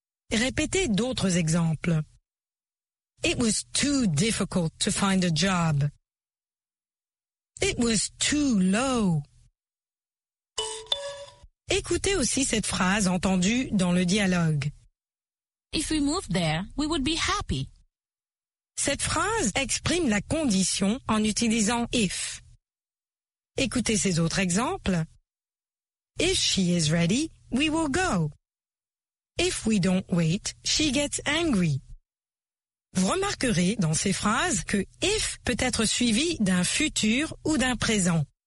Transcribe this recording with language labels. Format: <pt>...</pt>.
<fr>Répétez d'autres exemples.</fr> <en>It was too difficult to find a job. It was too low.</en> <fr>Écoutez aussi cette phrase entendue dans le dialogue.</fr> <en>If we moved there, we would be happy.</en> <fr>Cette phrase exprime la condition en utilisant if. Écoutez ces autres exemples.</fr> <en>If she is ready, we will go. If we don't wait, she gets angry.</en> <fr>Vous remarquerez dans ces phrases que if peut être suivi d'un futur ou d'un présent.</fr>